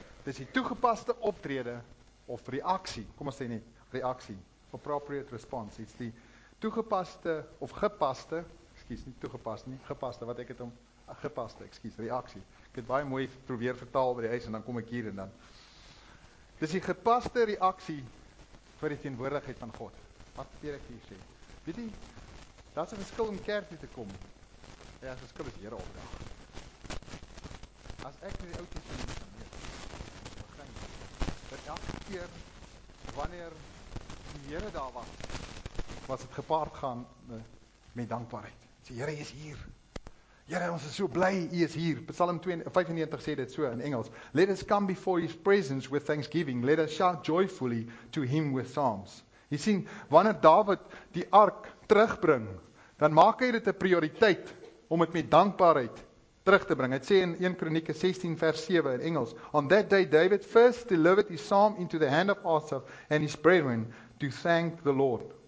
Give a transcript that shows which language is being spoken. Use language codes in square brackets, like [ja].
[af] Dit is die toegepaste optrede of reaksie, kom ons sê net, reaksie, [en] appropriate response, [af] iets die toegepaste of gepaste, reaksie. Ek het baie mooi probeer vertaal by die huis en dan kom ek hier en dan. Dis die gepaste reaksie vir die teenwoordigheid van God. Wat beteken ek hier sê? Weet jy, daar is een verskil om kerk toe te kom. Ja, as verskil is Here opdrag. As ek nie die oudjes van die kan neer, begin, dat elke keer, wanneer die Here daar was, was het gepaard gaan met dankbaarheid. Sê, Here is hier. Here, ons is so bly, U is hier. Psalm 95 sê dit so in Engels. [en] Let us come before His presence with thanksgiving. Let us shout joyfully to Him with psalms. [af] Jy sien, wanneer David die ark terugbring, dan maak hy dit 'n prioriteit om het met dankbaarheid terug te bring. Het sê in 1 Kronieke 16 vers 7 in Engels. [en] On that day David first delivered his psalm into the hand of Asaf and his brethren to thank the Lord.